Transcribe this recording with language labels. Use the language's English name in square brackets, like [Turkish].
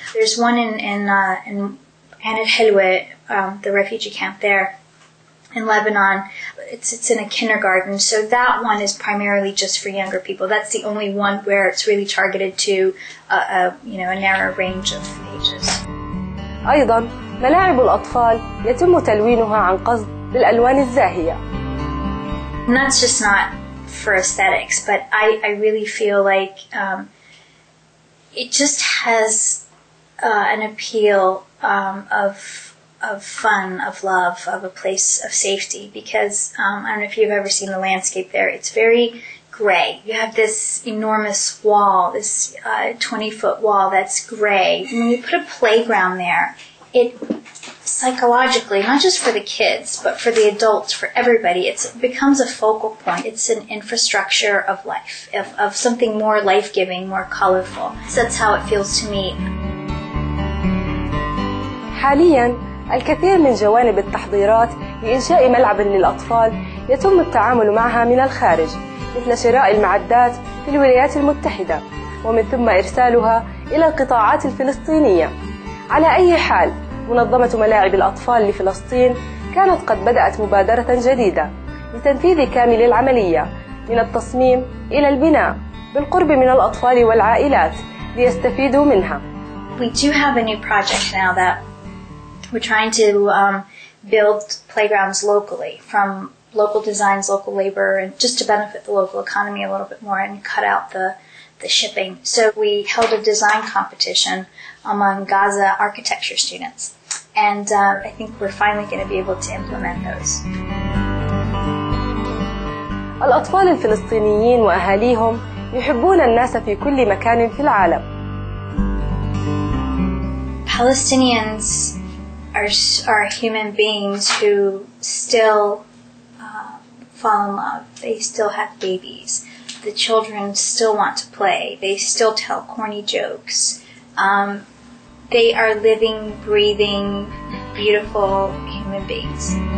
[English] There's one in Anad Helwe, the refugee camp there in Lebanon. It's in a kindergarten, so that one is primarily just for younger people. That's the only one where it's really targeted to a narrow range of ages. [Arabic] أيضا ملاعب الأطفال يتم تلوينها عن قصد بالألوان الزاهية. [English] And that's just not for aesthetics, but I really feel like it just has an appeal of fun, of love, of a place of safety, because I don't know if you've ever seen the landscape there. It's very gray. You have this enormous wall, this 20-foot wall that's gray. And when you put a playground there, it psychologically, not just for the kids, but for the adults, for everybody, it becomes a focal point. It's an infrastructure of life, of something more life-giving, more colorful. So that's how it feels to me. [Arabic] حالياً الكثير من جوانب التحضيرات لإنشاء ملعب للأطفال يتم التعامل معها من الخارج مثل شراء المعدات في الولايات المتحدة ومن ثم إرسالها إلى القطاعات الفلسطينية. على أي حال، منظمة ملاعب الأطفال لفلسطين كانت قد بدأت مبادرة جديدة لتنفيذ كامل العملية من التصميم إلى البناء بالقرب من الأطفال والعائلات ليستفيدوا منها. [English] We do have a new project now that we're trying to build playgrounds locally from local designs, local labor, and just to benefit the local economy a little bit more and cut out the shipping. So we held a design competition among Gaza architecture students, and I think we're finally going to be able to implement those. [Arabic] الأطفال الفلسطينيين وأهاليهم يحبون الناس في كل مكان في العالم. [English] Palestinians are human beings who still fall in love. They still have babies. The children still want to play. They still tell corny jokes. They are living, breathing, beautiful human beings.